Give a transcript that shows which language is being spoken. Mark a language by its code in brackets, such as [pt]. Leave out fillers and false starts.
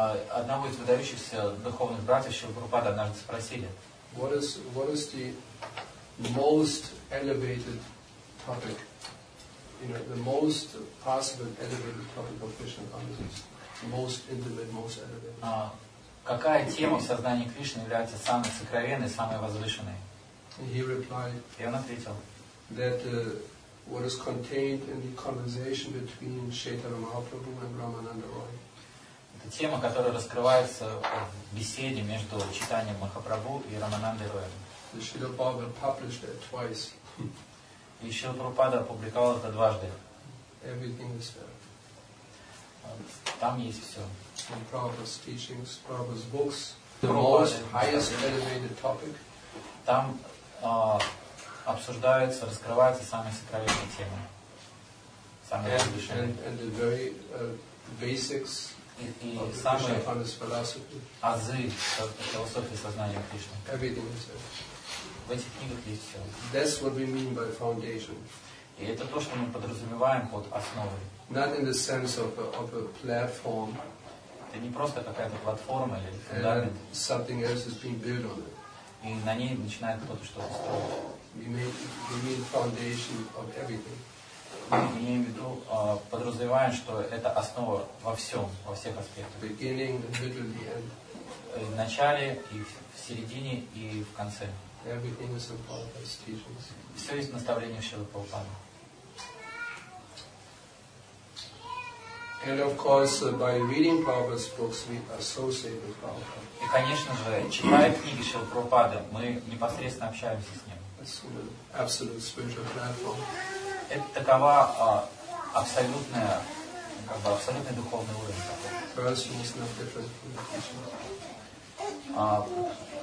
[ru] Одного из выдающихся духовных братьев Шрилы Прабхупады однажды спросили, [en] what is the most elevated topic, you know, the most possible elevated topic of Krishna consciousness, most intimate, most elevated. [ru] Какая тема в сознании Кришны является самой сокровенной, самой возвышенной? [en] He replied, [ru] и он ответил, [en] that what is contained in the conversation between Chaitanya Mahaprabhu and Ramananda Roy. [ru] Это тема, которая раскрывается в беседе между Чайтаньей Махапрабху и Раманандой Роем. И [en] Шрила Прабхупада published it twice. [ru] И Шрила Прабхупада опубликовал это дважды. [en] Everything is there. [ru] Там есть все. [en] And Prabhupada's teachings, Prabhupada's books, the most highest elevated topic. [ru] Там обсуждаются, раскрываются самые сокровенные темы. Самые высшие. [en] And the very basics. [ru] И самые азы философии сознания Кришны. [en] Everything is there. [ru] В этих книгах есть все. [en] That's what we mean by foundation. [ru] И это то, что мы подразумеваем под основой. [en] Not in the sense of a platform. [ru] Это не просто какая-то платформа или фундамент. [en] Something else is being built on it. [ru] И на ней начинает кто-то что-то строить. [en] We mean foundation of everything. [ru] Мы имеем в виду, подразумеваем, что это основа во всем, во всех аспектах. [en] Beginning, middle, the end. [ru] В начале, и в середине, и в конце. [en] Everything is in Prabhupada's teachings. [ru] Все есть в наставлении Шрилы Прабхупады. [en] And of course, by reading Prabhupada's books, we associate with Prabhupada. [ru] И, конечно же, читая книги Шрилы Прабхупады, мы непосредственно общаемся с ним. [en] It's an absolute spiritual platform. [ru] Это такова абсолютная как бы абсолютный духовный уровень.